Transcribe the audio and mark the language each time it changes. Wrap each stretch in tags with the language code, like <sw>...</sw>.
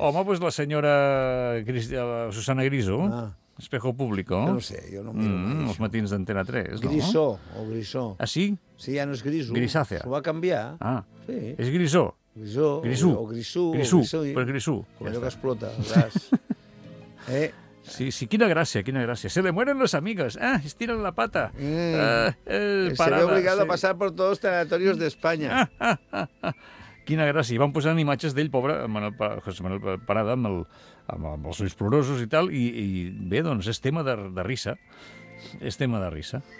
<ca>Home, doncs la senyora Susana Griso, Espejo Público. Que no sé, jo no miro mai els matins d'Antena 3, Grisó, no? Grisó. Ah, sí? Sí, ja no és Griso. Grisàcea. S'ho va canviar. Ah, sí. És Grisó. Grisó. Grisú. O Grisú. Grisú, sí. Per Grisú. Allò està que explota, el gas. Eh? Sí, sí, quina gràcia.</ca> <es>Se le mueren las amigas, estiran la pata. Se ve obligado a</es> <ca>passar per tots els territoris d'Espanya. Quina gràcia. I van posant imatges d'ell, pobre, José Manuel Parada, amb els ulls plorosos i tal, i bé, doncs, és</ca> <es>tema de risa.</es> <ca>És tema de risa.</ca>